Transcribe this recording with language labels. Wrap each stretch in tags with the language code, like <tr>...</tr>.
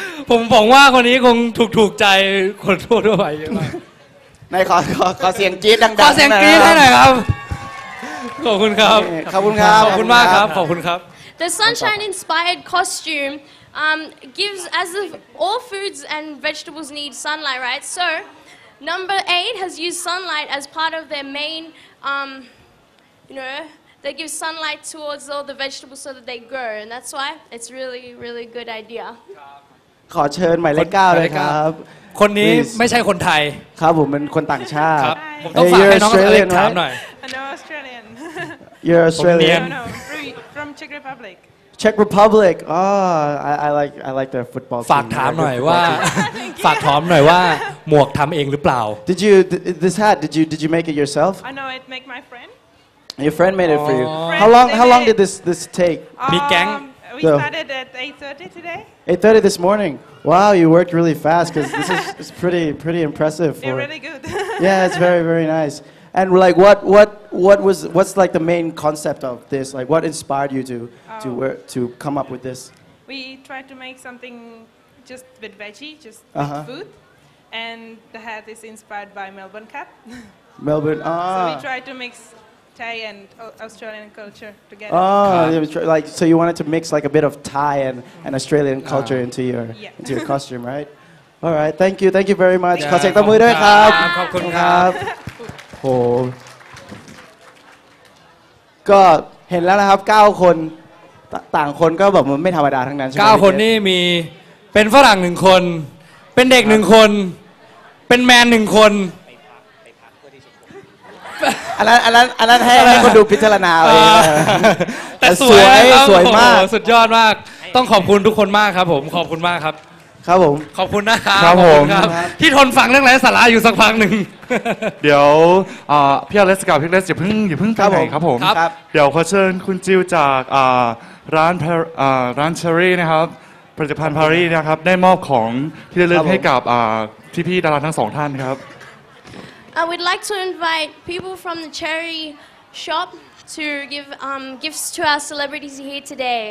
<th>ผมบอกว่าคนนี้คงถูกใจคนทั่วไป นะขอเสียงจี๊ดดังๆ ขอเสียงจี๊ดให้หน่อยครับขอบคุณครับ ขอบคุณครับ ขอบคุณมากครับขอบคุณครับ</th> <en>The sunshine inspired costume gives as if all foods and vegetables need sunlight right so number 8 has used sunlight as part of their main you know, they give sunlight towards all the vegetables so that they grow, and that's why it's really, really good idea.</en> <th>ขอเชิญหมายเลข9เลยครับ คนนี้ไม่ใช่คนไทย ครับผมเป็นคนต่างชาติ ครับผมต้องฝากให้น้องออสเตรเลียถามหน่อย</th> <en>No Australian You're Australian from Czech Republic Czech Republic oh I like their football</en> <th>ฝากถามหน่อยว่าฝากถามหน่อยว่าหมวกทำเองหรือเปล่า</th> <en>Did you this hat did you make it yourself I know it make my friend Your friend made it for you How long did this take</en> <th>มีแก๊ง</th> <en>We started at 8:30 today. 8:30 this morning. Wow, you worked really fast because this is it's pretty impressive. For yeah, really good. yeah, it's very very nice. And like, what's like the main concept of this? Like, what inspired you to come up with this? We tried to make something just with veggie, just with food, and the hat is inspired by Melbourne Cup. Melbourne. So we tried to mix. Thai and Australian culture together. Oh, like so you wanted to mix like a bit of Thai and Australian culture into your into your costume, right? All right, thank you very much.</en> <th>ขอเสียงตบมือด้วยครับ ขอบคุณครับ โอ้ก็เห็นแล้วนะครับ9คนต่างคนก็แบบไม่ธรรมดาทั้งนั้นใช่ไหม 9คนนี่มีเป็นฝรั่ง1คนเป็นเด็ก1คนเป็นแมน1คน อันนั้นให้คนดูพิจารณาเ องแต่สวยสวยมากสุดยอดมากต้องขอบคุณทุกคนมากครับผมขอบคุณมากครับ ครับผม ขอบคุณนะครับ ครับผม ที่ทนฟังเรื่องไร้สาระอยู่สักพักหนึ่ง เดี๋ยวพี่เลสกับพี่เลสอย่าเพิ่งไปไหนครับผมเดี๋ยวขอเชิญคุณจิวจากร้านเชอรี่นะครับผลิตภัณฑ์พารีนะครับได้มอบของที่ระลึกให้กับพี่ๆดาราทั้งสองท่านครับ</th> <en>We'd like to invite people from the cherry shop to give gifts to our celebrities here today.</en>